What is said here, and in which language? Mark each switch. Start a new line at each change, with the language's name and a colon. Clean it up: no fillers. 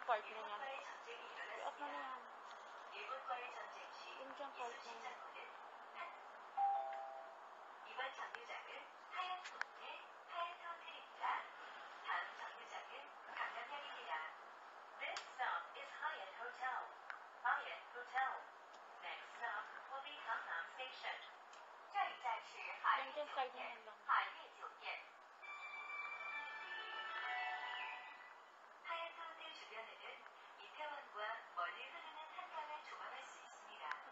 Korean: 일본과의 전쟁이 일어났습니다. 일본과의 전쟁 시 이수신 장군은 이번 정류장은 하얏트 호텔, 하얏트 호텔입니다. 다음 정류장은 강남역입니다.
English: This stop is Hyatt Hotel. Hyatt Hotel. Next stop will be Gangnam Station.
Chinese: 这一站是 Hyatt 酒店. Hyatt 酒店.
Korean: Hyatt Hotel 주변에는 이태원과 멀리 흐르는 한강을 조망할 수 있습니다.